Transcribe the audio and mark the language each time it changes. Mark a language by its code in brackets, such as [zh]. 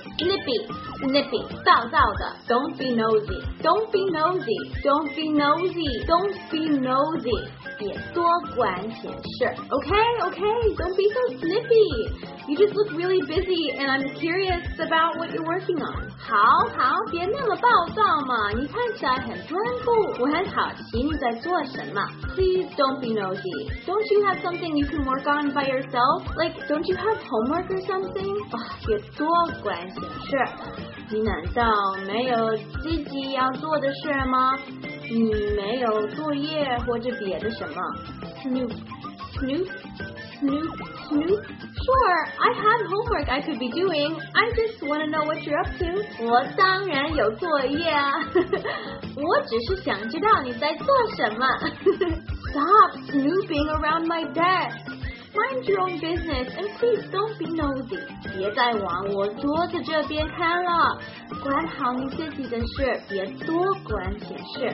[en] Snippy, snippy, [zh] 燥燥的 [en] Don't be nosy, don't be nosy, don't be nosy, don't be nosy, [zh] 别多管闲事 [en] Okay, okay, don't be so snippy. You just look really busy and I'm curious about what you're working on. [zh] 好好别那么暴躁嘛你看起来很专注我很好奇你在做什么 [en] Please don't be nosy. Don't you have something you can work on by yourself? Like, don't you have homework or something? [zh] 别多管闲事是，你难道没有自己要做的事吗？你没有作业或者别的什么 ？ [en] Snoop, snoop, snoop, snoop. Sure, I have homework I could be doing. I just want to know what you're up to. [zh] 我当然有作业啊，我只是想知道你在做什么。 [en] Stop snooping around my desk. Mind your own business and please don't be nosy. [zh] 别再往我桌子这边看了。管好你自己的事，别多管闲事。